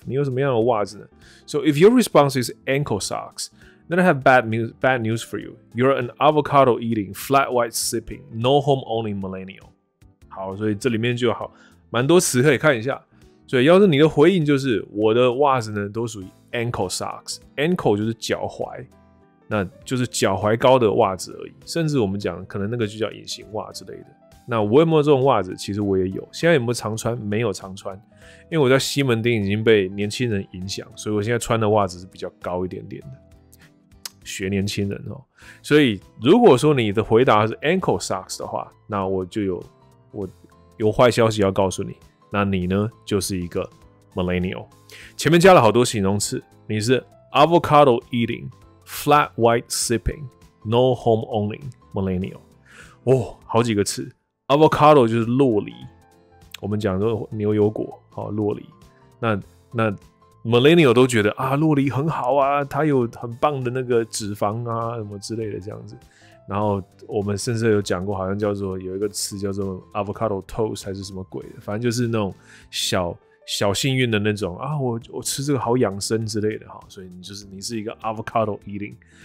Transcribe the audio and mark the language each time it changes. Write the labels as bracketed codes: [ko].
[zh] 你有什么样的袜子呢 [en] ？So if your response is ankle socks， then I have bad news for you。 You're an avocado eating， flat white sipping， no home owning millennial。 [zh] 好，所以这里面就好蛮多词可以看一下。所以要是你的回应就是我的袜子呢都属于 ankle socks， ankle 就是脚踝。那就是脚踝高的袜子而已，甚至我们讲可能那个就叫隐形袜之类的。那我有没有这种袜子？其实我也有，现在有没有常穿？没有常穿，因为我在西门町已经被年轻人影响，所以我现在穿的袜子是比较高一点点的，学年轻人哦。所以如果说你的回答是 ankle socks 的话，那我就有坏消息要告诉你，那你呢就是一个 millennial， 前面加了好多形容词，你是 [en] avocado eating。 Flat white sipping, no home owning millennial， [zh] 哦，好几个词。 Avocado 就是洛梨，我们讲的牛油果，好、哦、洛梨。那 millennial 都觉得啊，洛梨很好啊，它有很棒的那个脂肪啊，什么之类的这样子。然后我们甚至有讲过，好像叫做有一个词叫做 avocado toast 还是什么鬼的，反正就是那种小幸运的那种啊，我吃这个好养生之类的哈，所以你是一个 [en] avocado eating。